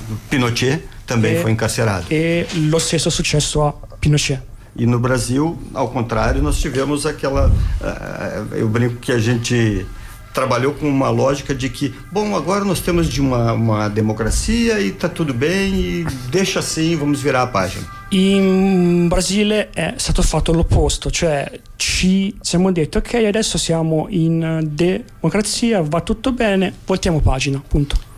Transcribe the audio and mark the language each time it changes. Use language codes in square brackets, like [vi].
[pt] Pinochet também foi encarcerado. [it] E lo stesso successo a Pinochet. [pt] E no Brasil, ao contrário, nós tivemos aquela... eu brinco que a gente trabalhou com uma lógica de que, bom, agora nós temos de uma democracia e está tudo bem, e deixa assim, vamos virar a página. [it] In Brasile è stato fatto l'opposto, cioè ci siamo detti ok, adesso siamo in democrazia, va tutto bene, voltiamo pagina, punto.